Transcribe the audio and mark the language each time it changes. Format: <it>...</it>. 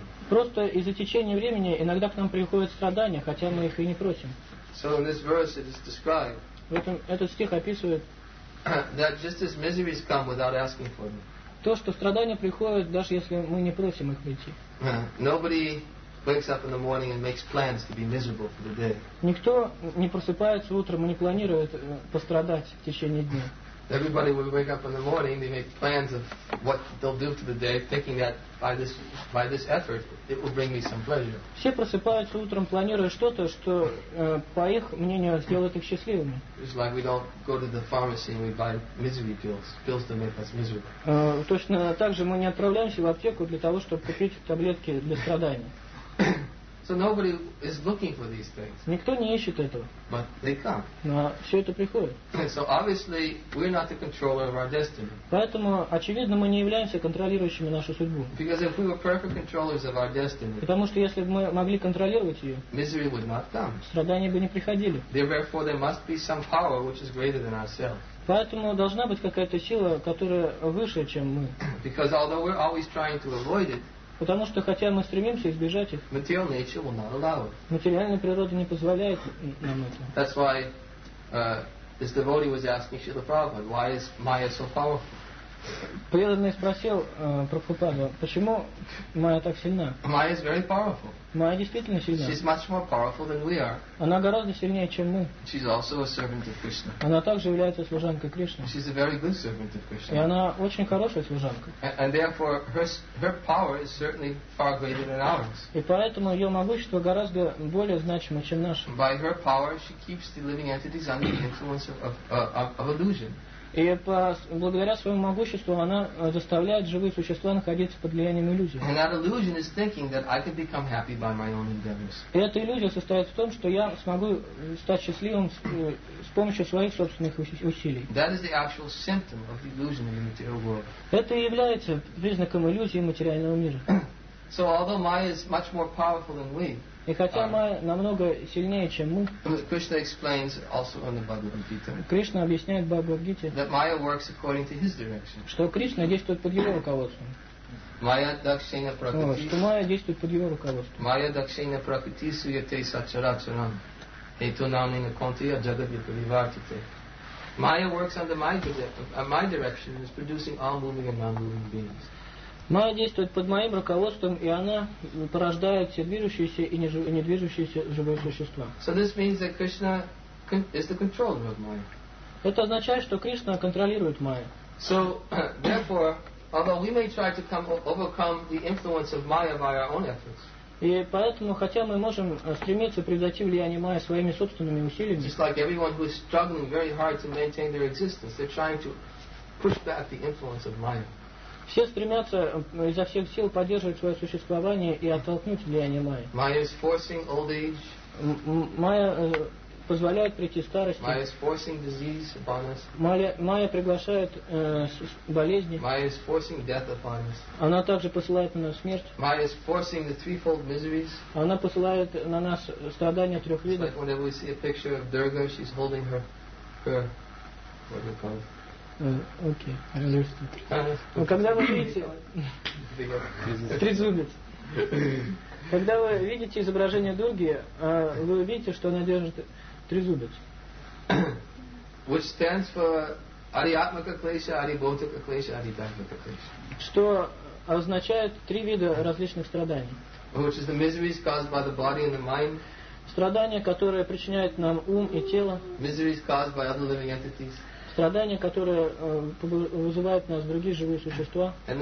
<ru>Просто из-за течения времени иногда к нам приходят страдания, хотя мы их и не просим. В этом этот стих описывает то, что страдания приходят, даже если мы не просим их прийти.</ru> <en>Wakes up in the morning and makes plans to be miserable for the day.</en> <ru>Никто не просыпается утром и не планирует пострадать в течение дня.</ru> <en>Everybody will wake up in the morning, they make plans of what they'll do for the day, thinking that by this effort it will bring me some pleasure.</en> <ru>Все просыпаются утром, планируя что-то, что по их мнению сделает их счастливыми.</ru> <en>It's like we don't go to the pharmacy and we buy misery pills to make us miserable.</en> <ru>Точно так же мы не отправляемся в аптеку для того, чтобы купить таблетки для страдания.</ru> <en>So nobody is looking for these things.</en> <ru>Никто не ищет этого.</ru> <en>But they come.</en> <ru>Но все это приходит.</ru> <en>So obviously we're not the controller of our destiny.</en> <ru>Поэтому очевидно мы не являемся контролирующими нашу судьбу.</ru> <en>Because if we were perfect controllers of our destiny.</en> <ru>Потому что если бы мы могли контролировать ее.</ru> <en>Misery would not come.</en> <ru>Страдания бы не приходили.</ru> <en>Therefore there must be some power which is greater than ourselves.</en> <ru>Поэтому должна быть какая-то сила, которая выше, чем мы.</ru> <en>Because although we're always trying to avoid it.</en> <ru>Потому что хотя мы стремимся избежать их,</ru> <en>material nature will not allow it.</en> <ru>Материальная природа не позволяет нам это.</ru> <en>That's why this devotee was asking Srila Prabhupada, why is Maya so powerful?</en> <ru>Преданный спросил Прабхупаду, почему Майя так сильна?</ru> <en>Maya is very powerful.</en> <ru>Майя действительно сильна.</ru> <en>She's much more powerful than we are.</en> <ru>Она гораздо сильнее, чем мы.</ru> <en>She's also a servant of Krishna.</en> <ru>Она также является служанкой Кришны.</ru> <en>She's a very good servant of Krishna.</en> <ru>И она очень хорошая служанка.</ru> <en>And therefore her power is certainly far greater than ours.</en> <ru>И поэтому ее могущество гораздо более значимо, чем наше.</ru> <en>By her power she keeps the living entities under the influence of illusion.</en> <ru>И благодаря своему могуществу она заставляет живые существа находиться под влиянием иллюзий. И эта иллюзия состоит в том, что я смогу стать счастливым с помощью своих собственных усилий.</ru> <en>That is the actual symptom of illusion in the material world.</en> <ru>Это и является признаком иллюзии материального мира.</ru> <en>So although Maya is much more powerful than we,</en> <ru>и хотя Майя намного сильнее, чем мы,</ru> <en>Krishna explains also in the Bhagavad Gita,</en> <ru>Кришна объясняет в Бхагавад-гите,</ru> <en>that Maya works according to his direction.</en> <ru>Что Кришна действует под его руководством.</ru> <sa>Maya Dakshina Prakriti.</sa> <ru>Что Майя действует под его руководством.</ru> <sa>Maya Dakshina Prakriti Suyate Sacharacharam. Eto Namina Kontiya Jagadipalivartite.</sa> <en>Maya works under my direction and is producing all moving and non-moving beings.</en> <ru>Майя действует под моим руководством, и она порождает все движущиеся и недвижущиеся живые существа.</ru> <en>So this means that Krishna is the controller of Maya.</en> <ru>Это означает, что Кришна контролирует Майю.</ru> <en>So, therefore, although we may try to overcome the influence of Maya by our own efforts,</en> <ru>и поэтому, хотя мы можем стремиться превзойти влияние Майя своими собственными усилиями,</ru> <en>just like everyone who is struggling very hard to maintain their existence, they're trying to push back the influence of Maya.</en> <ru>Все стремятся изо всех сил поддерживать свое существование и оттолкнуть влияние Майи.</ru> <en>Майя is forcing old age.</en> <ru>Майя позволяет прийти старости.</ru> <en>Майя is forcing disease upon us.</en> <ru>Майя приглашает болезни.</ru> <en>Майя is forcing death upon us.</en> <ru>Она также посылает на нас смерть.</ru> <en>Майя is forcing the threefold miseries.</en> <ru>Она посылает на нас страдания трех видов.</ru> <en>It's like whenever we see a picture of Durga, she's holding her what do you call it? Окей, okay.</en> <ru>Когда вы видите трезубец, когда вы видите изображение Дурги, вы видите, что она держит трезубец.</ru> <en>Which stands for Ариатмака Клеша, Ариботика Клеша, Аритахмака Клеша.</en> <ru>Что означает три вида различных страданий.</ru> <en>Which is the miseries caused by the body and the mind.</en> <ru>Страдания, которые причиняют нам ум и тело.</ru> <en>Miseries caused by other living entities.</en> <ru>Страдания, которые вызывают нас другие живые существа.</ru>